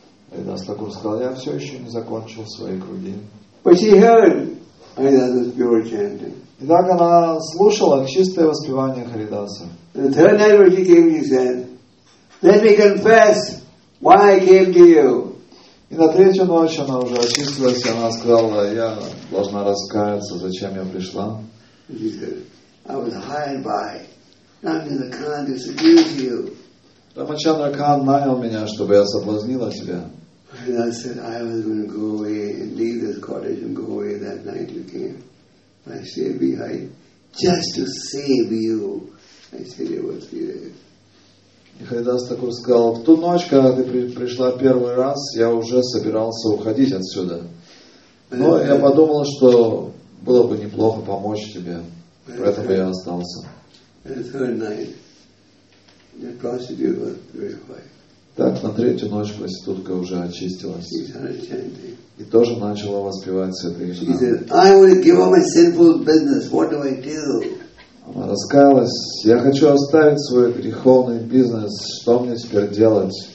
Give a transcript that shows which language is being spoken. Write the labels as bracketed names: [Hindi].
[Russian] Харидас Такур сказал, я все еще не закончил свои круги. [English] But she heard Харидаса's pure chanting. [Russian] И так она слушала чистое воспевание Харидаса. [English] The third night when she came, she said, let me confess why I came to you. [Russian] И на третью ночь она уже очистилась, и она сказала, я должна раскаяться, зачем я пришла. [English] She said, I was hired by Рамдуна Кан to seduce you. [Russian] Рамачандра Кан нанял меня, чтобы я соблазнила тебя. [English] And I said, I was going to go away and leave this cottage and go away that night you came. I stayed behind just to save you. I said, it was serious. [Russian] И Харидас Такур сказал, в ту ночь, когда ты пришла первый раз, я уже собирался уходить отсюда. Но я подумал, что было бы неплохо помочь тебе. Поэтому я остался. [English] And the third night, the prostitute was very quiet. [Russian] Так, на третью ночь проститутка уже очистилась. И тоже начала воспевать святые имена. Она раскаялась. Я хочу оставить свой греховный бизнес. Что мне теперь делать?